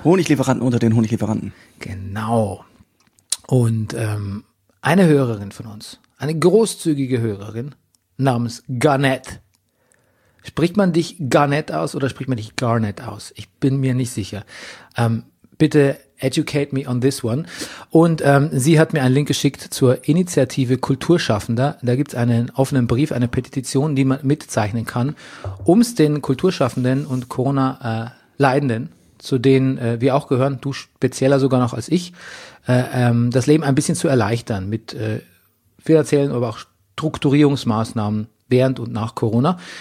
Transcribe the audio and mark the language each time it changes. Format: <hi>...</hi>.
<de>Honiglieferanten unter den Honiglieferanten. Genau. Und eine Hörerin von uns, eine großzügige Hörerin namens Garnett. Spricht man dich Garnett aus oder spricht man dich Garnett aus? Ich bin mir nicht sicher. Bitte</de> <en>educate me on this one.</en> <de>Und sie hat mir einen Link geschickt zur Initiative Kulturschaffender. Da gibt es einen offenen Brief, eine Petition, die man mitzeichnen kann, um es den Kulturschaffenden und Corona-Leidenden, zu denen wir auch gehören, du spezieller sogar noch als ich, das Leben ein bisschen zu erleichtern mit finanziellen, aber auch Strukturierungsmaßnahmen während und nach Corona.</de>